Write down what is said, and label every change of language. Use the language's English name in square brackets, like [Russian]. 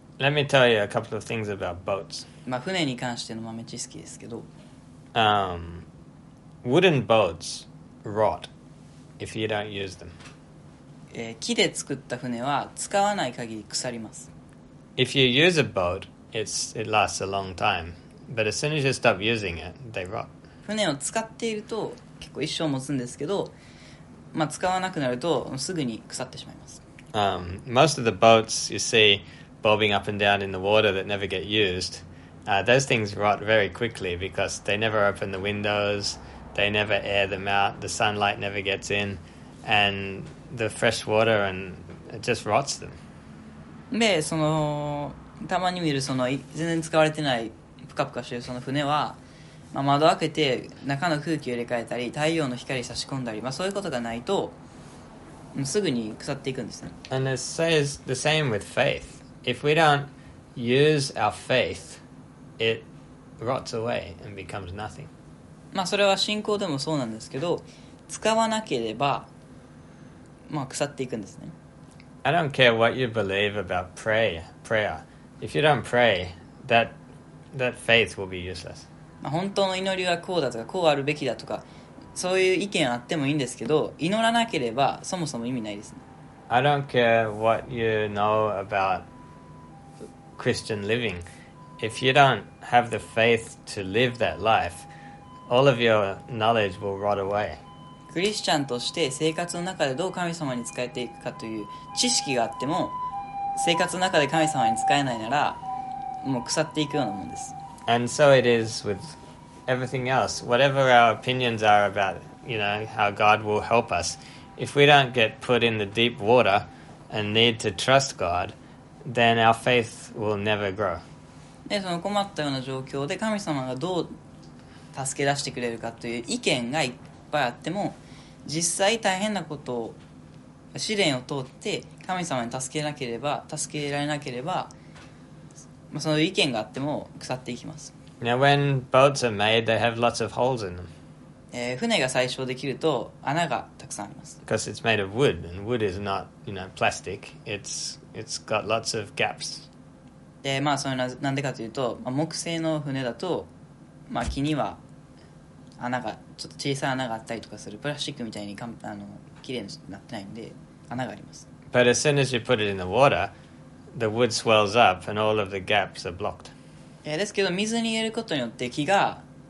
[English] Let me tell you a couple of things about boats. [Japanese] まあ船に関しての豆知識ですけど、 [English] Wooden boats rot if you don't use them. [Japanese] 木で作った船は使わない限り腐ります。 [English] If you use a boat, it lasts a long time. But as soon as you stop using it, they rot. [Japanese] 船を使っていると結構一生持つんですけど、まあ、使わなくなるとすぐに腐ってしまいます。 [English] Most of the boats you see bobbing up and down in the water that never get used... those things rot very quickly because they never open the windows, they never air them out, the sunlight never gets in, and the fresh water and it just rots them. [Japanese] で、その、たまに見るその、全然使われてない、ぷかぷかしてるその船は、まあ、窓を開けて中の空気を入れ替えたり、太陽の光差し込んだり、まあ、そういうことがないと、すぐに腐っていくんですね。 [English] And it says the same with faith. If we don't use our faith,It rots away and becomes nothing. [Japanese] まあそれは信仰でもそうなんですけど、使わなければまあ腐っていくんですね。 [English] I don't care what you believe about prayer. If you don't pray, that faith will be useless. [Japanese] まあ本当の祈りはこうだとかこうあるべきだとかそういう意見あってもいいんですけど、祈らなければそもそも意味ないですね。 [English] I don't care what you know about Christian living. If you don't have the faith to live that life, all of your knowledge will rot away. [Japanese] クリスチャンとして生活の中でどう神様に仕えていくかという知識があっても、生活の中で神様に仕えないなら、もう腐っていくようなものです。 [English] And so it is with everything else. Whatever our opinions are about, you know, how God will help us, if we don't get put in the deep water and need to trust God, then our faith will never grow. [Japanese] でその困ったような状況で神様がどう助け出してくれるかという意見がいっぱいあっても実際大変なことを試練を通って神様に助けられなければ、まあ、その意見があっても腐っていきます。 [English] Now when boats are made they have lots of holes in them. [Japanese] 船が最初できると穴がたくさんあります。 [English] Because it's made of wood and wood is not, you know, plastic. It's got lots of gaps. [Japanese] でまあ、それなんでかというと、まあ、木製の船だと、まあ、木には穴がちょっと小さい穴があったりとかするプラスチックみたいにかあの綺麗になってないんで穴があります。 [English] But as soon as you put it in the water the wood swells up and all of the gaps are blocked. [Japanese] ですけど水に入れることによって木が